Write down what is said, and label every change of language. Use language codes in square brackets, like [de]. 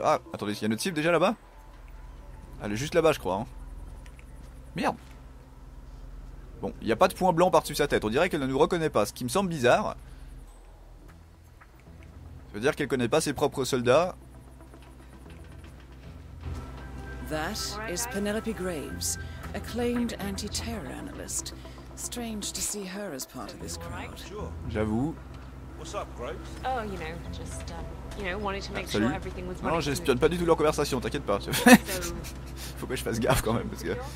[fr] Ah, attendez, il y a notre cible déjà là-bas? Elle est juste là-bas, je crois. Hein. Merde! Bon, il n'y a pas de point blanc par-dessus sa tête. On dirait qu'elle ne nous reconnaît pas, ce qui me semble bizarre. Ça veut dire qu'elle connaît pas ses propres soldats. [en] That is Penelope Graves, acclaimed anti-terror analyst. Strange to see her as part of this crowd. [fr] J'avoue. Salut. Non, j'espionne pas du tout leur conversation, t'inquiète pas. Faut que je fasse gaffe quand même, parce que...